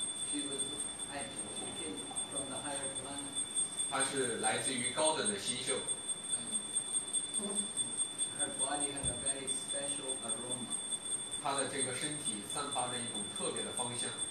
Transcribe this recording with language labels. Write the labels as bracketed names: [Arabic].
[English] She was actually she came from the higher planet. [Chinese] 她是来自于高等的星宿。 [English] Her body had a very special aroma. [Chinese] 他的这个身体散发着一种特别的芳香。